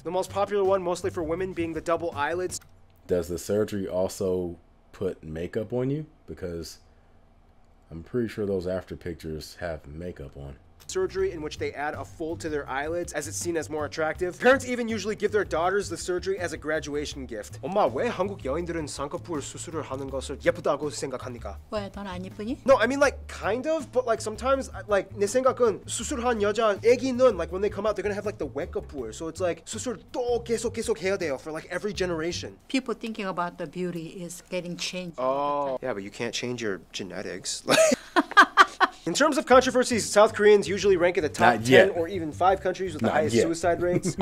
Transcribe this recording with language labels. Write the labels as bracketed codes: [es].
[en] The most popular one, mostly for women, being the double eyelids. Does the surgery also put makeup on you? Because I'm pretty sure those after pictures have makeup on. Surgery in which they add a fold to their eyelids as it's seen as more attractive. Parents even usually give their daughters the surgery as a graduation gift. [ko] 엄마 왜 한국 여인들은 쌍꺼풀 수술을 하는 것을 예쁘다고 생각하니까? 왜 넌 안 예쁘니? [en] No, I mean like kind of, but like sometimes like [ko] 내 생각은 수술한 여자 애기는 [en] like when they come out they're gonna have like the 외꺼풀. So it's like [ko] 수술 또 계속 해야 돼요 [en] for like every generation. People thinking about the beauty is getting changed. Oh, yeah, but you can't change your genetics. In terms of controversies, South Koreans usually rank in the top 10 or even 5 countries with the highest suicide rates.